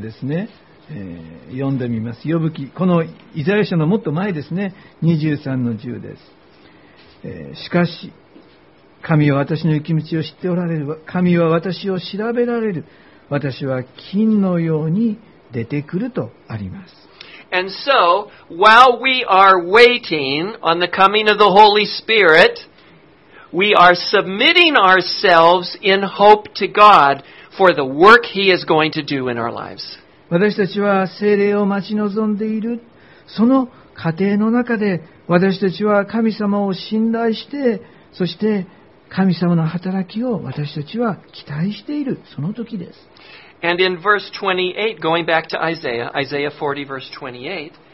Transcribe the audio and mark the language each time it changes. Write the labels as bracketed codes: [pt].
[ja] ですね。読んでみます。ヨブ記このイザヤ書のもっと前ですね。23の10です。しかし神は私の行き道を知っておられる。神は私を調べられる。私は金のように出てくるとあります。 [en] And so, while we are waiting on the coming of the Holy Spirit, we are submitting ourselves in hope to God for the work He is going to do in our lives. [ja] 私たちは聖霊を待ち望んでいる。その過程の中で私たちは神様を信頼して、そして神様の働きを私たちは期待しているその時です。 [en] And in verse 28, going back to Isaiah, Isaiah 40, verse 28,